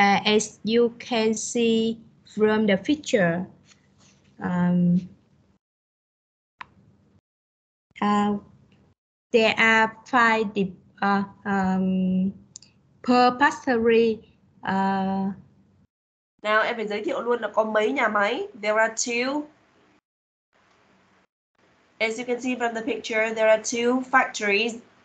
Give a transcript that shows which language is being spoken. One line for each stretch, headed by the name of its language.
English: As you can see from the picture, there are five purposary.
Vietnamese: Now, em phải giới thiệu luôn là có mấy nhà máy.
English: There are two. As you can see from the picture, there are two factories.